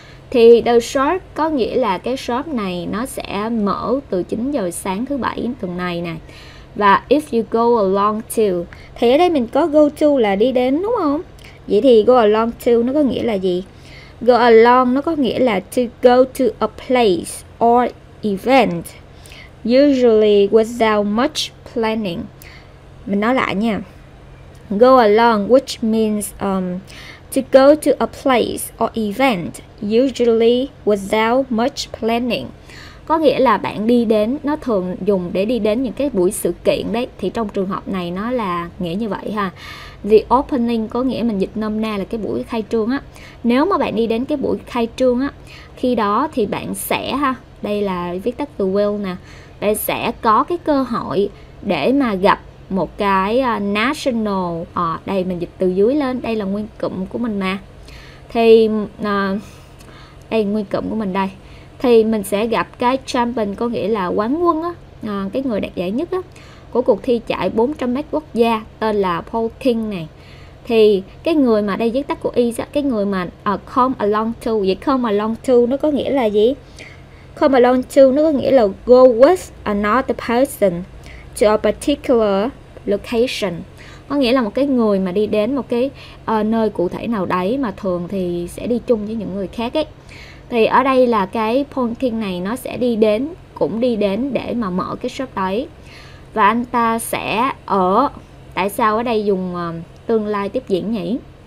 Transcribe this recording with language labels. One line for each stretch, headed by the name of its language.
Vietnamese: Thì
English: the shop
Vietnamese: có nghĩa là cái shop này nó sẽ mở từ 9 giờ sáng thứ bảy tuần này nè. Và
English: if you go along to,
Vietnamese: thì ở đây mình có
English: go to
Vietnamese: là đi đến, đúng không? Vậy thì
English: go along to
Vietnamese: nó có nghĩa là gì?
English: Go along
Vietnamese: nó có nghĩa là
English: to go to a place or event, usually without much planning.
Vietnamese: Mình nói lại nha.
English: Go along, which means to go to a place or event, usually without much planning.
Vietnamese: Có nghĩa là bạn đi đến, nó thường dùng để đi đến những cái buổi sự kiện đấy. Thì trong trường hợp này nó là nghĩa như vậy ha.
English: The opening
Vietnamese: có nghĩa mình dịch nôm na là cái buổi khai trương á. Nếu mà bạn đi đến cái buổi khai trương á, khi đó thì bạn sẽ ha, đây là viết tắt từ will nè, bạn sẽ có cái cơ hội để mà gặp một cái national, đây mình dịch từ dưới lên, đây là nguyên cụm của mình mà. Thì đây nguyên cụm của mình đây. Thì mình sẽ gặp cái champion, có nghĩa là quán quân á, cái người đạt giải nhất á của cuộc thi chạy 400m quốc gia, tên là Paul King này. Thì cái người mà đây viết tắt của is á, cái người mà
English: come along to.
Vietnamese: Vậy
English: come along to
Vietnamese: nó có nghĩa là gì?
English: Come along to
Vietnamese: nó có nghĩa là
English: go with another person to a particular location.
Vietnamese: Có nghĩa là một cái người mà đi đến một cái nơi cụ thể nào đấy mà thường thì sẽ đi chung với những người khác ấy. Thì ở đây là cái Paul King này nó sẽ đi đến, cũng đi đến để mà mở cái shop đấy. Và anh ta sẽ ở, tại sao ở đây dùng tương lai tiếp diễn nhỉ?